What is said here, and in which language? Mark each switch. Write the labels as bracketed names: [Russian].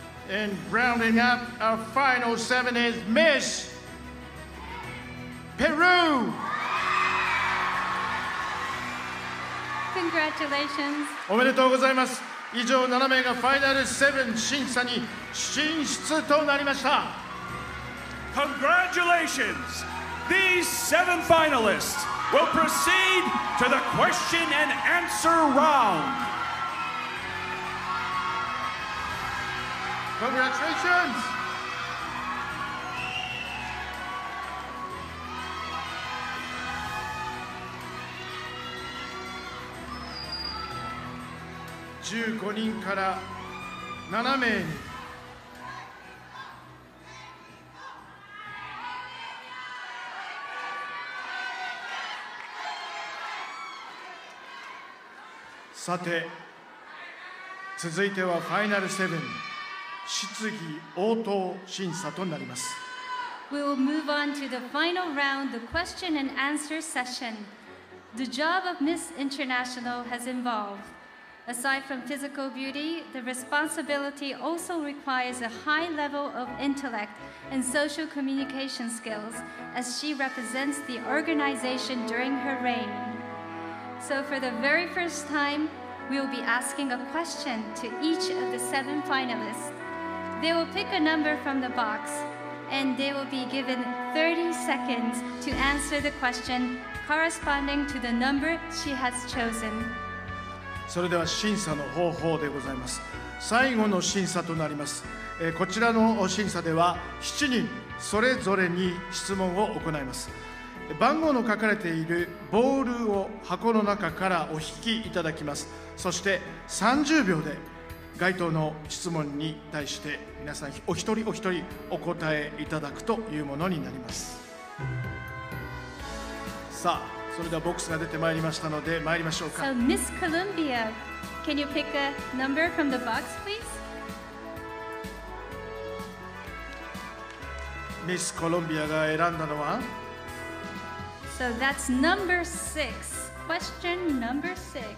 [English] And rounding up our final 7 is Miss Peru. Congratulations. [Japanese] おめでとうございます。以上7名がファイナル7審査に進出となりました。 [English] Congratulations! These seven finalists will proceed to the question and answer round. Congratulations! [Japanese] 15人から7名に さて続いてはファイナル7質疑応答審査となります。 [English] We will move on to the final round, the question and answer session. The job of Miss International has involvedAside from physical beauty, the responsibility also requires a high level of intellect and social communication skills as she represents the organization during her reign. So for the very first time, we will be asking a question to each of the seven finalists. They will pick a number from the box and they will be given 30 seconds to answer the question corresponding to the number she has chosen. [Japanese] それでは審査の方法でございます。最後の審査となります。こちらの審査では7人それぞれに質問を行います。番号の書かれているボールを箱の中からお引きいただきます。そして30秒で該当の質問に対して皆さんお一人お一人お答えいただくというものになります。さあそれではボックスが出てまいりましたので参りましょうか。 [English] So, Miss Columbia, can you pick a number from the box, please? [Japanese] Miss Columbia が選んだのは [English] So, that's number six. Question number six.